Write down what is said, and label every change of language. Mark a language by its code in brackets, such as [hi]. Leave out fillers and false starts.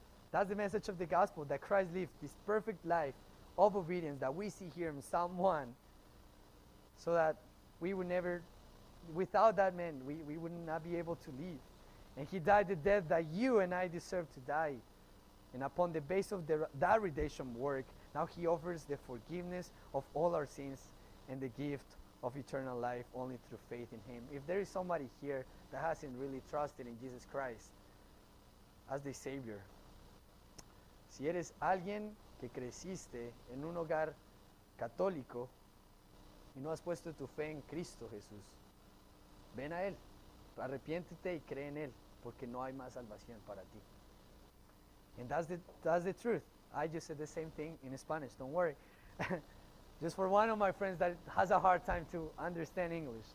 [en] That's the message of the gospel, that Christ lived this perfect life of obedience that we see here in Psalm 1, so that we would never, without that man, we would not be able to live. And he died the death that you and I deserve to die, and upon the base of that redemption work, now he offers the forgiveness of all our sins and the gift of eternal life only through faith in him. If there is somebody here that hasn't really trusted in Jesus Christ as the Savior, [es] si eres alguien que creciste en un hogar católico y no has puesto tu fe en Cristo Jesús, ven a él, arrepiéntete y cree en él, porque no hay más salvación para ti. [en] And that's the truth. I just said the same thing in Spanish, don't worry. Just for one of my friends that has a hard time to understand English.